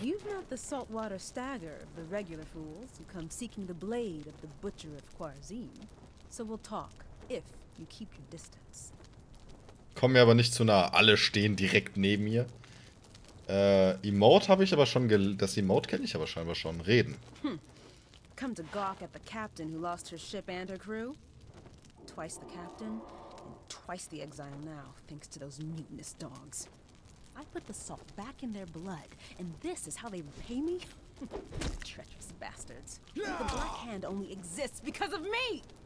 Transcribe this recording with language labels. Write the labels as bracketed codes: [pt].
[en] You've not the saltwater stagger of the regular fools who come seeking the blade of the butcher of Quarzine. So we'll talk, if you keep your distance. [de] Komm mir aber nicht zu nah. Alle stehen direkt neben mir. Emote habe ich aber schon das Emote kenne ich aber scheinbar schon. Reden. [en] Come to gawk at the captain who lost her ship and her crew. Twice the captain and twice the exile now, thanks to those mutinous dogs. I put the salt back in their blood and this is how they repay me? Treacherous bastards. The Black Hand only exists because of me.